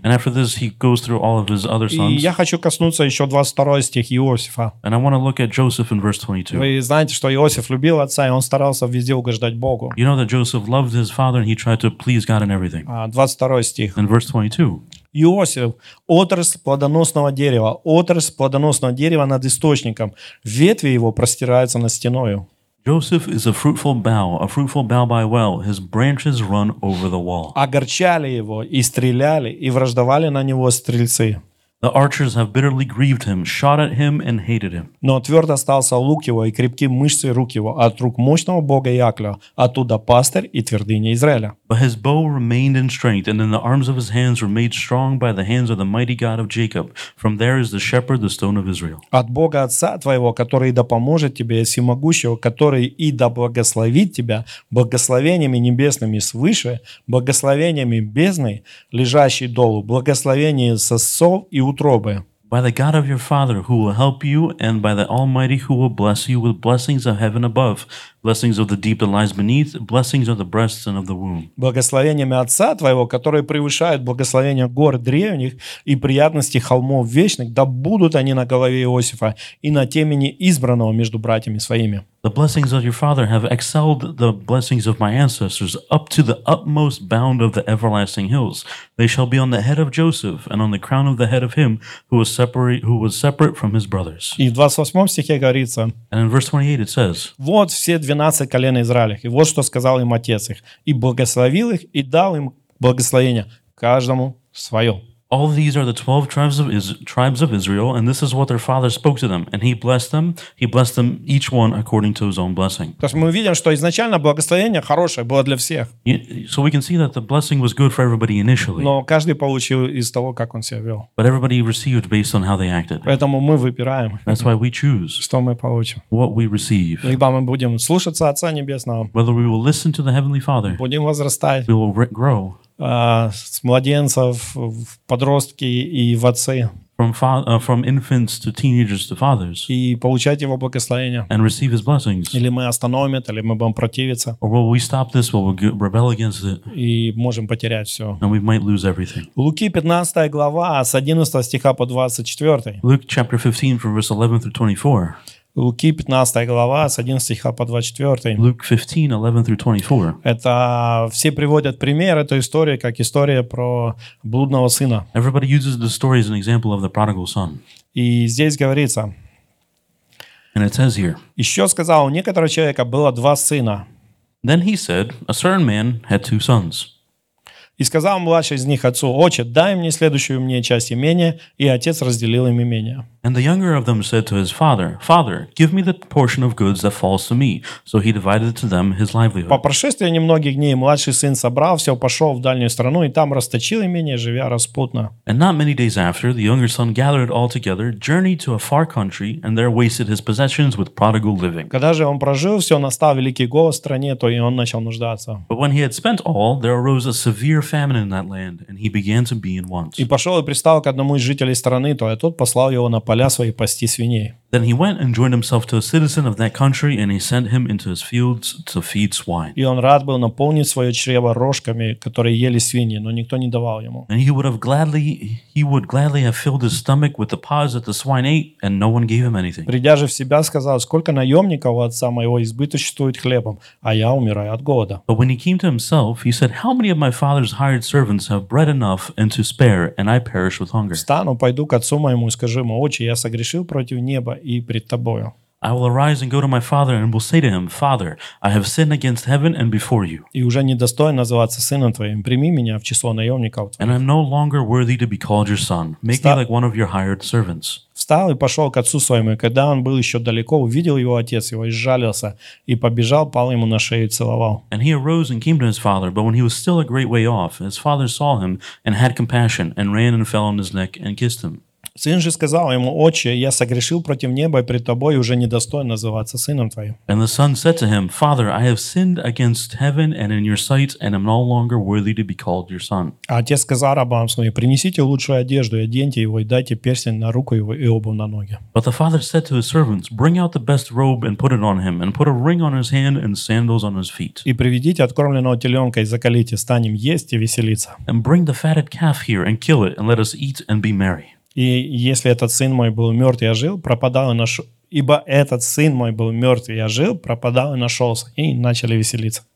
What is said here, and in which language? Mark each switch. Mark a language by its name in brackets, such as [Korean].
[English] And after this, he goes through all of his other sons. [Russian] И я хочу коснуться еще 22 стих Иосифа. [English] And I want to look at Joseph in verse 22. [Russian] Вы знаете, что Иосиф любил отца, и он старался везде угождать Богу. [English] You know that Joseph loved his father, and he tried to please God in everything. [Russian] 22 стих. [English] In verse 22. [Russian] Иосиф, отрасль плодоносного дерева над источником, ветви его простираются над стеною. [English] Joseph is a fruitful bough by well. His branches run over the wall. [Russian] Огорчали его и стреляли, и враждовали на него стрельцы. [English] The archers have bitterly grieved him, shot at him and hated him. [Russian] Но тверд остался лук его и крепки мышцы рук его от рук мощного Бога Яклева, оттуда пастырь и твердыня Израиля. [English] But his bow remained in strength, and in the arms of his hands were made strong by the hands of the mighty God of Jacob. From there is the shepherd, the stone of Israel. [Russian] От Бога отца твоего, который да поможет тебе, и всемогущего, который и да благословит тебя благословениями небесными свыше, благословениями бездны, лежащей долу, благословение сосцов и утробы. [English] By the God of your father who will help you, and by the Almighty who will bless you with blessings of heaven above, blessings of the deep that lies beneath, blessings of the breasts and of the womb. [Russian] Благословениями отца твоего, которые превышают благословения гор древних и приятности холмов вечных, да будут они на голове Иосифа и на темени избранного между братьями своими. [English] The blessings of your father have excelled the blessings of my ancestors up to the utmost bound of the everlasting hills. They shall be on the head of Joseph and on the crown of the head of him who was separate from his brothers. [Russian] И в 28 стихе говорится. [English] And in verse 28 it says. [Russian] Вот все 12 колен Израиля, и вот что сказал им отец их, и благословил их, и дал им благословение каждому свое. [English] All these are the 12 tribes of Israel, and this is what their father spoke to them, and he blessed them. He blessed them each one according to his own blessing. [Russian] То есть мы видим, что изначально благословение хорошее было для всех. [English] So we can see that the blessing was good for everybody initially. [Russian] Но каждый получил из того, как он себя вел. [English] But everybody received based on how they acted. [Russian] Поэтому мы выбираем. [English] That's why we choose. [Russian] Что мы получим? [English] What we receive. [Russian] Либо мы будем слушаться Отца Небесного. [English] Whether we will listen to the Heavenly Father. [Russian] Будем возрастать. [English] We will grow. [Russian] С младенцев в подростки и в отцы. [English] From infants to teenagers to fathers. [Russian] И получать его благословение. [English] And receive his blessings. [Russian] Или мы остановим это, или мы будем противиться. [English] Or will we stop this? Will we rebel against it? [Russian] И можем потерять все. [English] And we might lose everything. [Russian] Луки 15 глава с 11 стиха по 24. [English] Luke chapter 15 from verse 11 through 24. [Russian] Луки 15 глава с 11 стиха по 24. [English] Luke 15, 11 through 24. [Russian] Это все приводят пример этой истории как история про блудного сына. [English] Everybody uses the story as an example of the prodigal son. [Russian] И здесь говорится. [English] And it says here. [Russian] Еще сказал, у некоторого человека было два сына. [English] Then he said, a certain man had two sons. [Russian] И сказал младший из них отцу, «Отче, дай мне следующую мне часть имения». И отец разделил им имение. [English] And the younger of them said to his father, «Father, give me the portion of goods that falls to me». So he divided to them his livelihood. [Russian] По прошествии немногих дней младший сын собрал все, пошел в дальнюю страну, и там расточил имение, живя распутно. [English] And not many days after, the younger son gathered all together, journeyed to a far country, and there wasted his possessions with prodigal living. [Russian] Когда же он прожил все, настал великий голод в стране, то и он начал нуждаться. [English] But when he had spent all, there arose a severe famine in that land, and he began to be in want. [Russian] И пошел и пристал к одному из жителей страны, то и тот послал его на поля свои пасти свиней. [English] Then he went and joined himself to a citizen of that country, and he sent him into his fields to feed swine. [Russian] И он рад был наполнить свое чрево рожками, которые ели свиньи, но никто не давал ему. [English] And he would gladly have filled his stomach with the pods that the swine ate, and no one gave him anything. [Russian] Придя же в себя, сказал, сколько наемников у отца моего избыточествует хлебом, а я умираю от голода. [English] But when he came to himself, he said, how many of my father's hired servants have bread enough and to spare, and I perish with hunger. [Russian] Встану, пойду к отцу моему и скажу ему, отче, я согрешил против неба и пред тобою. [English] I will arise and go to my father and will say to him, Father, I have sinned against heaven and before you. [Russian] И уже не достоин называться сыном твоим. Прими меня в число наемников твоих. [English] And I'm no longer worthy to be called your son. Make me like one of your hired servants. [Russian] Встал и пошел к отцу своему. И когда он был еще далеко, увидел его отец его и сжалился. И побежал, пал ему на шею и целовал. [English] And he arose and came to his father. But when he was still a great way off, his father saw him and had compassion and ran and fell on his neck and kissed him. [Russian] Сын же сказал ему, «Отче, я согрешил против неба и пред тобой, уже не достоин называться сыном твоим». [English] And the son said to him, «Father, I have sinned against heaven and in your sight, and am no longer worthy to be called your son». [Russian] А отец сказал рабам своим, «Принесите лучшую одежду и оденьте его, и дайте перстень на руку его и обувь на ноги». [English] But the father said to his servants, «Bring out the best robe and put it on him, and put a ring on his hand and sandals on his feet». [Russian] И приведите откормленного теленка и закалите, станем есть и веселиться. [English] And bring the fatted calf here and kill it, and let us eat and be merry. [Russian] И если этот сын мой был мертв и ожил, пропадал и наш... ибо этот сын мой был мертв и ожил, пропадал и нашелся, и начали веселиться.